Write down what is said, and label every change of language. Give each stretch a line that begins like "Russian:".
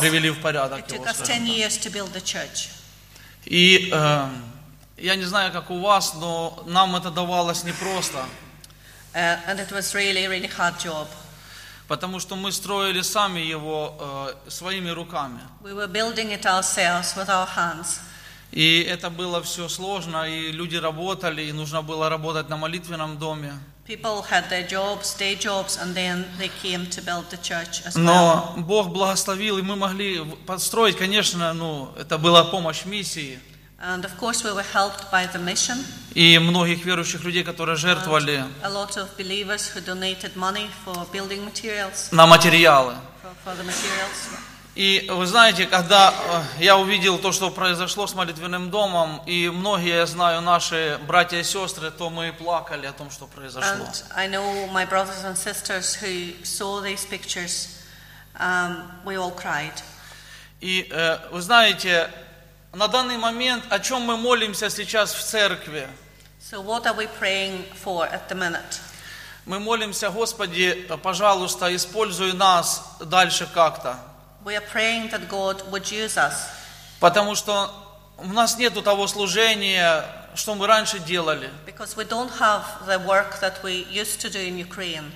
Russian: привели в порядок его. Я не знаю, как у вас, но нам это давалось непросто.
English: And it was really, really hard job.
Russian: Потому что мы строили сами его своими руками.
English: We were building it ourselves with our hands.
Russian: И это было все сложно, и люди работали, и нужно было работать на молитвенном доме.
English: People had their jobs, day jobs, and then they came to build the church as well.
Russian: Но Бог благословил, и мы могли подстроить, конечно, это была помощь миссии.
English: And of course, we were helped by the mission.
Russian: И многих верующих людей, которые жертвовали.
English: A lot of believers who donated money for building materials.
Russian: На материалы.
English: For the materials.
Russian: И вы знаете, когда я увидел то, что произошло с молитвенным домом, и многие, я знаю, наши братья и сестры, то мы плакали о том, что произошло.
English: And I know my brothers and sisters who saw these pictures, we all cried.
Russian: И вы знаете. На данный момент, о чем мы молимся сейчас в церкви?
English: So what are we praying for at the minute?
Russian: Мы молимся, Господи, пожалуйста, используй нас дальше как-то.
English: We are praying that God would use us.
Russian: Потому что у нас нету того служения, что мы раньше делали.
English: Because we don't have the work that we used to do in Ukraine.